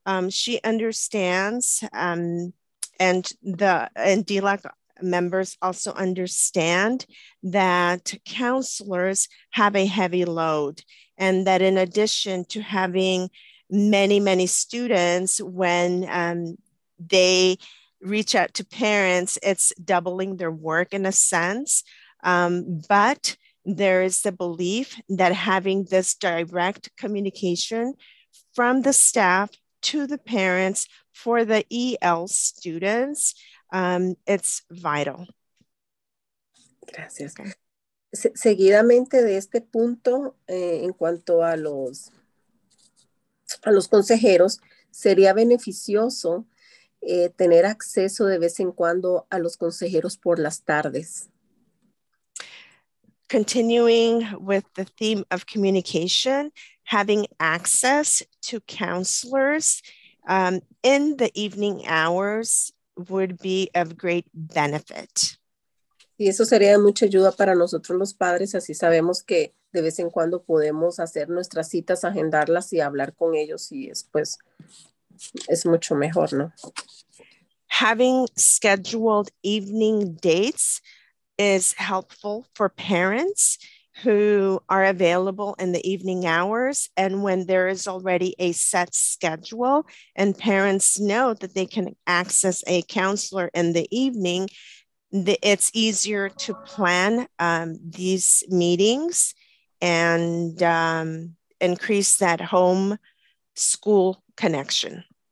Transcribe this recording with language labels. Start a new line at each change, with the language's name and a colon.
English: She understands, and DLAC members also understand that counselors have a heavy load, and that in addition to having many, many students, when they reach out to parents, it's doubling their work in a sense. But there is the belief that having this direct communication from the staff to the parents for the EL students, it's vital.
Spanish: Gracias. Seguidamente de este punto, en cuanto a los consejeros, sería beneficioso tener acceso de vez en cuando a los consejeros por las tardes.
English: Continuing with the theme of communication, having access to counselors in the evening hours would be of great benefit.
Spanish: Y eso sería de mucha ayuda para nosotros los padres, así sabemos que de vez en cuando podemos hacer nuestras citas, agendarlas y hablar con ellos y después es mucho mejor, ¿no?
English: Having scheduled evening dates is helpful for parents who are available in the evening hours, and when there is already a set schedule and parents know that they can access a counselor in the evening, it's easier to plan these meetings and increase that home school connection.